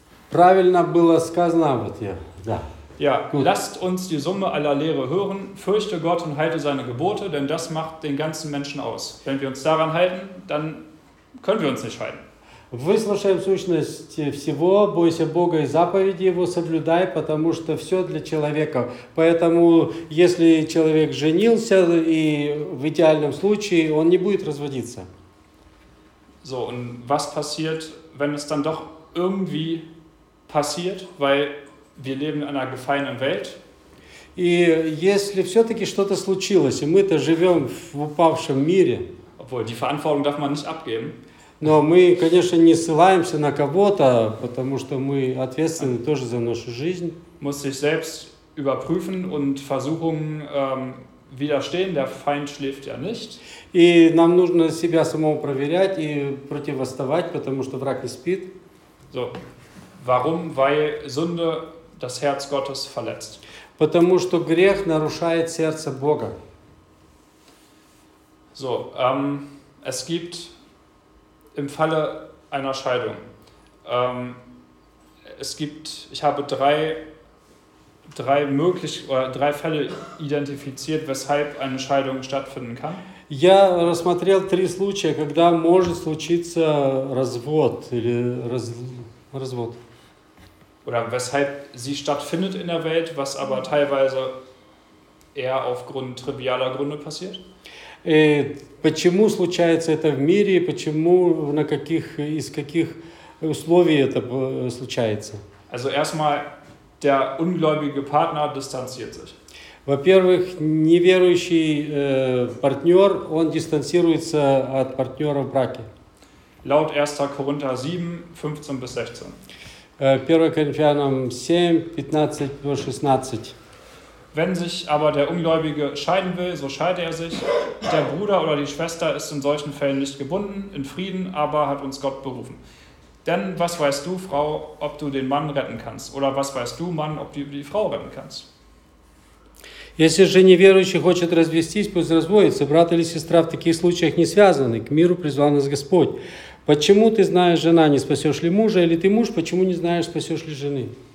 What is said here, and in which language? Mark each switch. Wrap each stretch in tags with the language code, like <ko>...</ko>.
<ru>Правильно было сказано, вот я, да.</ru> <de>Ja, gut. Lasst uns die Summe aller Lehre hören, fürchte Gott und halte seine Gebote, denn das macht den ganzen Menschen aus. Wenn wir uns daran halten, dann können wir uns nicht scheiden.</de> <ru>Выслушаем сущность всего, бойся Бога и заповеди его соблюдай, потому что все для человека. Поэтому, если человек женился, и в идеальном случае он не будет разводиться.</ru> <de>So, und was passiert, wenn es dann doch irgendwie passiert, weil... Wir leben in einer gefallenen Welt.</de> <ru>И если все-таки что-то случилось, и мы-то живем в упавшем мире,</ru> <de>obwohl, die Verantwortung darf man nicht abgeben.</de> <ru>Но мы, конечно, не ссылаемся на кого-то, потому что мы ответственны тоже за нашу жизнь.</ru> <de>Muss sich selbst überprüfen und Versuchungen widerstehen. Der Feind schläft ja nicht.</de> <ru>И нам нужно себя самому проверять и противостоять, потому что враг не спит.</ru> <de>So. Warum? Weil Sünde das Herz Gottes verletzt.</de> <ru>Потому что грех нарушает сердце Бога.</ru> <de>So, es gibt im Falle einer Scheidung, es gibt, ich habe drei Fälle identifiziert, weshalb eine Scheidung stattfinden kann.</de> <ru>Я рассмотрел три случая, когда может случиться развод или развод.</ru> <de>Oder weshalb sie stattfindet in der Welt, was aber teilweise eher aufgrund trivialer Gründe passiert?</de> <ru>Почему случается это в мире, почему на каких из каких условий это случается?</ru> <de>Also erstmal der ungläubige Partner distanziert sich.</de> <ru>Во-первых, неверующий партнер, он дистанцируется от партнера в браке.</ru> <de>Laut 1. Korinther 7, 15 bis 16.</de> <ru>1. Коринфянам 7, 15 по 16.</ru> <de>Wenn sich aber der Ungläubige scheiden will, so scheide er sich. Der Bruder oder die Schwester ist in solchen Fällen nicht gebunden, in Frieden aber hat uns Gott berufen. Denn was weißt du, Frau, ob du den Mann retten kannst? Oder was weißt du, Mann, ob du die Frau retten kannst?</de> <ru>Если же неверующий хочет развестись, пусть разводится. Брат или сестра в таких случаях не связаны. К миру призвал нас Господь. Почему ты знаешь, жена, не спасешь ли мужа, или ты муж, почему не знаешь, спасешь ли жены?</ru>